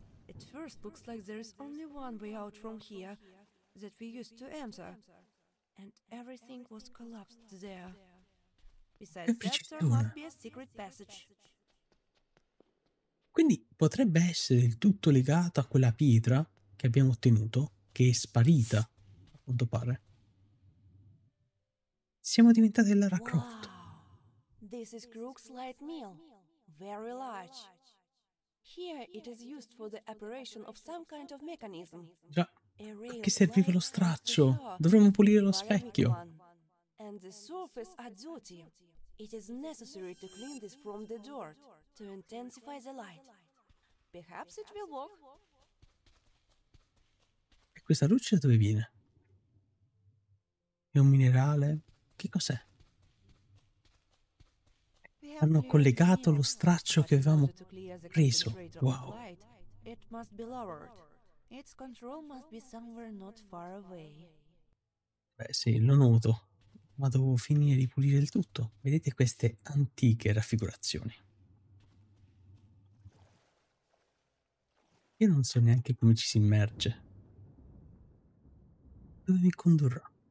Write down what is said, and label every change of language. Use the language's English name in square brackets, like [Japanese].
[English] At first looks like there is only one way out from here that we used to enter, and everything was collapsed there. Besides that, there must be a secret passage. [Italian] Quindi potrebbe essere il tutto legato a quella pietra che abbiamo ottenuto, che è sparita, a quanto pare. Siamo diventati Lara Croft. [English] Wow. This is Crook's light mill. Very large. Here it is used for the operation of some kind of mechanism. [Italian] Già, a che serviva lo straccio? Dovremmo pulire lo specchio. [English] And the surface is dirty. It is necessary to clean this from the dirt to intensify the light. Perhaps it will work. [Italian] Questa luce da dove viene? È un minerale? Che cos'è? Hanno collegato lo straccio che avevamo preso. Wow. [English] It must be lowered. Its control must be somewhere not far away. [Italian] Beh sì, lo noto. Ma devo finire di pulire il tutto. Vedete queste antiche raffigurazioni? Io non so neanche come ci si immerge. Dove mi condurrà?